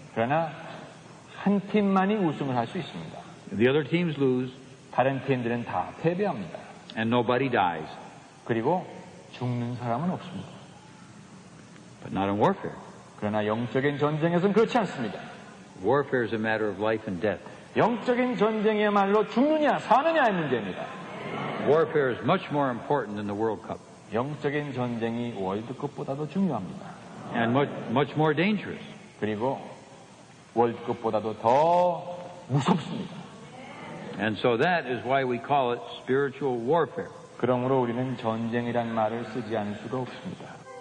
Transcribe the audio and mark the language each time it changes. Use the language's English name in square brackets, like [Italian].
[Korean] 그러나 한 팀만이 우승을 할 수 있습니다. [English] The other teams lose. [Korean] 다른 팀들은 다 패배합니다. [English] And nobody dies. [Korean] 그리고 죽는 사람은 없습니다. [English] But not in warfare. [Korean] 그러나 영적인 전쟁에서는 그렇지 않습니다. [English] Warfare is a matter of life and death. [Korean] 영적인 전쟁이야말로 죽느냐 사느냐의 문제입니다. [English] Warfare is much more important than the World Cup. [Korean] 영적인 전쟁이 월드컵보다도 중요합니다. [English] And much more dangerous. [Korean] 그리고 월드컵보다도 더 무섭습니다. [English] And so that is why we call it spiritual warfare. [Korean] 그러므로 우리는 전쟁이란 말을 쓰지 않을 수가 없습니다.